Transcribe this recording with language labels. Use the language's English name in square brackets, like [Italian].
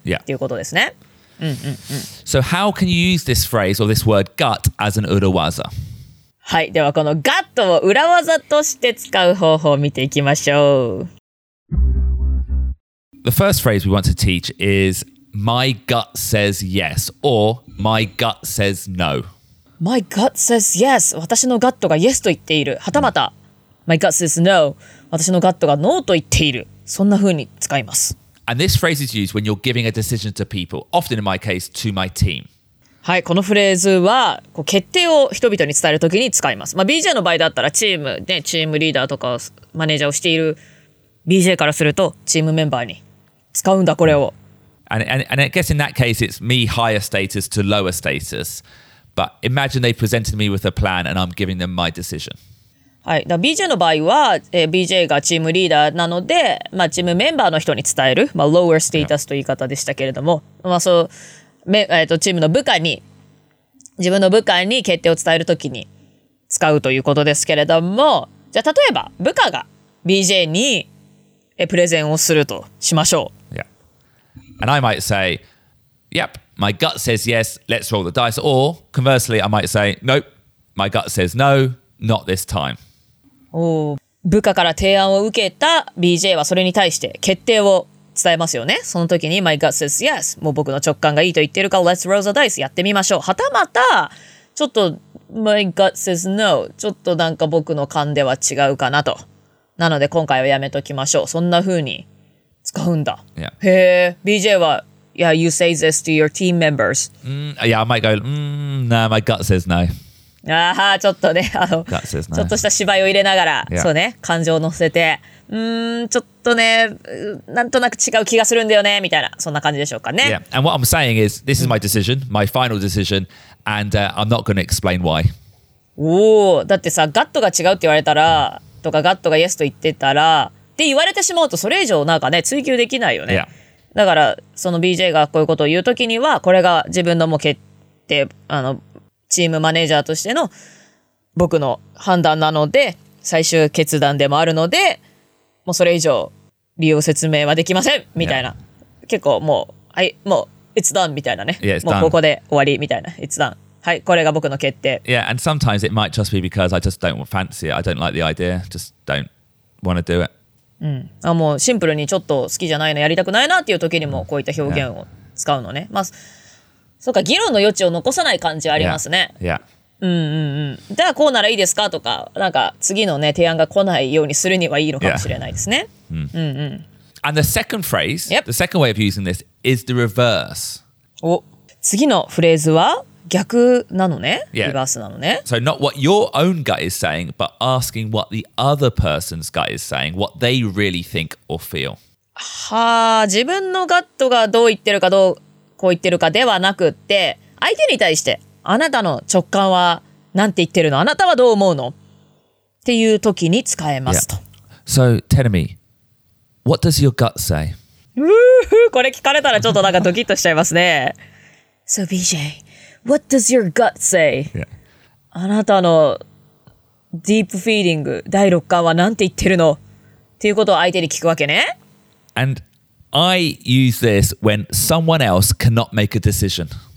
[English] Yeah. [Japanese] っていうことですね。 [English] So how can you use this phrase or this word gut as an 裏技? [Japanese] はい、ではこの gut を裏技として使う方法を見ていきましょう。 [English] The first phrase we want to teach is my gut says yes or my gut says no. My gut says yes. [Japanese] 私の gut が yes と言っている。はたまた、 [English] my gut says no. [Japanese] 私の gut が no と言っている。そんな風に使います。 [English] And this phrase is used when you're giving a decision to people, often in my case, to my team. [Japanese] はい、このフレーズはこう決定を人々に伝えるときに使います。まあ、BJ の場合だったらチーム、ね、チームリーダーとかマネージャーをしている BJ からするとチームメンバーに使うんだ、これを。 [English] And I guess in that case, it's me higher status to lower status. But imagine they presented me with a plan and I'm giving them my decision. [Japanese] はい、BJ の場合は、BJ がチームリーダーなので、まあ、チームメンバーの人に伝える、まあ、lower status という言い方でしたけれども、yeah. まあそうチームの部下に、自分の部下に決定を伝えるときに使うということですけれども、じゃあ例えば部下が BJ にプレゼンをするとしましょう。 [English] Yeah. And I might say, yep, my gut says yes, let's roll the dice. Or conversely, I might say, nope, my gut says no. Not this time. [Japanese] お、部下から提案を受けた BJ はそれに対して決定を伝えますよね。その時に [English] My gut says yes. [Japanese] もう僕の直感がいいと言ってるから [English] Let's roll the dice. [Japanese] やってみましょう。はたまたちょっと [English] My gut says no. [Japanese] ちょっとなんか僕の勘では違うかなと。なので今回はやめときましょう。そんな風に使うんだ。 [English] Yeah. [Japanese] へえ。BJ は [English] Yeah, you say this to your team members.、 Yeah, I might go, nah, my gut says no. [Japanese] ああ、ちょっとね、ちょっとした芝居を入れながら、 [English] yeah. [Japanese] そうね、感情を乗せて、ちょっとね、なんとなく違う気がするんだよね、みたいな、そんな感じでしょうかね。 [English] Yeah. And what I'm saying is, this is my decision, my final decision, and、I'm not going to explain why. [Japanese] おお、だってさ、ガットが違うって言われたら、とかガットが yes と言ってたら、って言われてしまうと、それ以上なんかね、追求できないよね。 [English] Yeah. [Japanese] だから、その BJ がこういうことを言うときには、これが自分のもう決定、チームマネージャーとしての僕の判断なので最終決断でもあるのでもうそれ以上理由説明はできませんみたいな、 [English] yeah. [Japanese] 結構もうはいもう [English] It's done [Japanese] みたいなね [English] yeah, [Japanese] もうここで終わりみたいな [English] It's done [Japanese] はいこれが僕の決定 [English] Yeah and sometimes it might just be because I just don't fancy it I don't like the idea just don't want to do it [Japanese] うんあもうシンプルにちょっと好きじゃないのやりたくないなっていう時にもこういった表現を使うのね、yeah. まあそうか、議論の余地を残さない感じはありますね。いや。じゃあこうならいいですかとか、なんか次のね、提案が来ないようにするにはいいのかもしれないですね。 [English] Yeah. And the second phrase,、 yep. the second way of using this is the reverse. [Japanese] お、次のフレーズは逆なのね、 [English] yeah. [Japanese] リバースなのね。 [English] So not what your own gut is saying, but asking what the other person's gut is saying, what they really think or feel. [Japanese] はあ、自分のガットがどう言ってるかどうか、こう言ってるかではなくって相手に対してあなたの直感はなんて言ってるのあなたはどう思うのっていう時に使えますと、 [English] yeah. So tell me What does your gut say? [Japanese] これ聞かれたらちょっとなんかドキッとしちゃいますね [English] So BJ What does your gut say?、 Yeah. [Japanese] あなたのディープフィーリング第六感はなんて言ってるのっていうことを相手に聞くわけね [English] AndI use this when someone else cannot make a decision.